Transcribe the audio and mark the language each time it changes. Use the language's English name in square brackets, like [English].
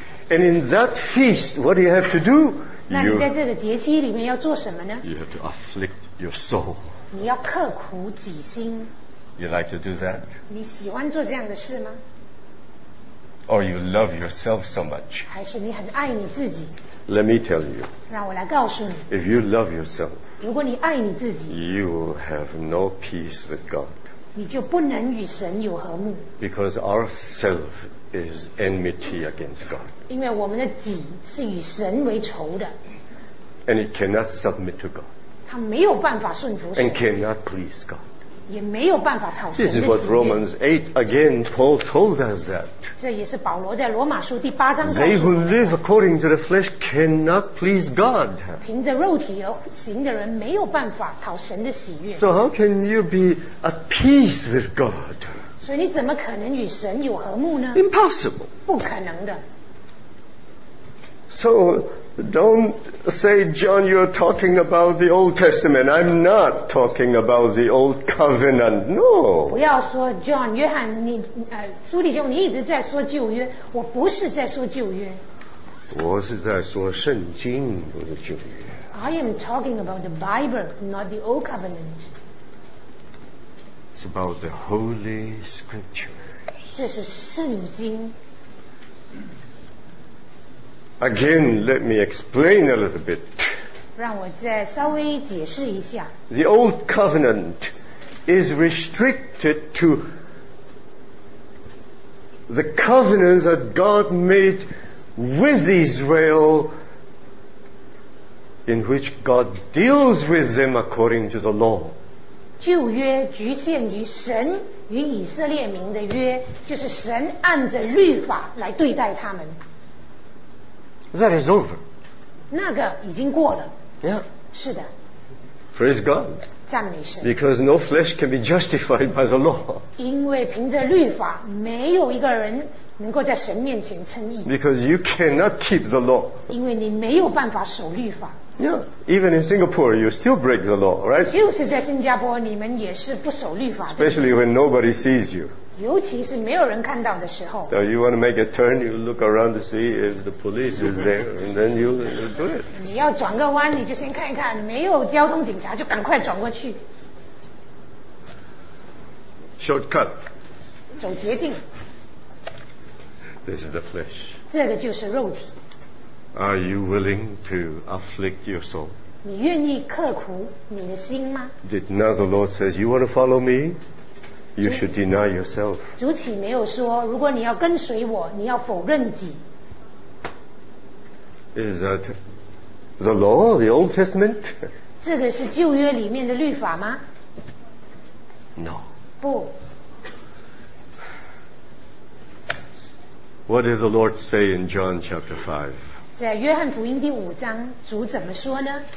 [English] And in that feast, what do you have to do? [Chinese] 那你在这个节期里面要做什么呢？ [English] You have to afflict your soul. [Chinese] 你要刻苦己心。 [English] You like to do that? [Chinese] 你喜欢做这样的事吗？ [English] Or you love yourself so much? [Chinese] 还是你很爱你自己？ [English] Let me tell you. [Chinese] 让我来告诉你。 [English] If you love yourself, [Chinese] 如果你爱你自己， [English] you have no peace with God. [Chinese] 你就不能与神有和睦。 [English] Because our self is enmity against God. [Chinese] 因为我们的己是与神为仇的。 [English] And it cannot submit to God. [Chinese] 它没有办法顺服神。 [English] And cannot please God. [Chinese] 也没有办法讨神的喜悦。 [English] This is what Romans 8 again Paul told us that. [Chinese] 这也是保罗在罗马书第八章告诉我们。 [English] They who live according to the flesh cannot please God. [Chinese] 凭着肉体而行的人没有办法讨神的喜悦。 [English] So how can you be at peace with God? [Chinese] 所以你怎么可能与神有和睦呢？ [English] Impossible. [Chinese] 不可能的。 [English] So don't say, John, you're talking about the Old Testament. I'm not talking about the Old Covenant. No. [Chinese] 不要说 John, 约翰，你苏弟兄，你一直在说旧约。我不是在说旧约。我是在说圣经，不是旧约。 [English] I am talking about the Bible, not the Old Covenant. It's about the Holy Scripture. [Chinese] 这是圣经。 [English] Again, let me explain a little bit. [Chinese] 让我再稍微解释一下。 [English] The Old Covenant is restricted to the covenant that God made with Israel, in which God deals with them according to the law. [Chinese] 旧约局限于神与以色列民的约，就是神按着律法来对待他们。 [English] That is over. [Chinese] 那个已经过了。 [English] Yeah. [Chinese] 是的。 [English] Praise God. [Chinese] 赞美神。 [English] Because no flesh can be justified by the law. [Chinese] 因为凭着律法，没有一个人能够在神面前称义。 [English] Because you cannot keep the law. [Chinese] 因为你没有办法守律法。 [English] Yeah. Even in Singapore, you still break the law, right? [Chinese] 就是在新加坡，你们也是不守律法。 [English] Especially when nobody sees you. [Chinese] 尤其是没有人看到的时候。 [English] So you want to make a turn, you look around to see if the police is there, and then you do it. [Chinese] 你要转个弯，你就先看一看，没有交通警察就赶快转过去。 [English] Shortcut. [Chinese] 走捷径。 [English] This is the flesh. [Chinese] 这个就是肉体。 [English] Are you willing to afflict your soul? [Chinese] 你愿意刻苦你的心吗？ [English] Did not the Lord says you want to follow me? You should deny yourself. [Chinese] 主岂没有说，如果你要跟随我，你要否认己。 [English] Is that the law, the Old Testament? [Chinese] 这个是旧约里面的律法吗？ [English] No. [Chinese] 不。 [English] What does the Lord say in John chapter 5? [Chinese] 在约翰福音第五章，主怎么说呢？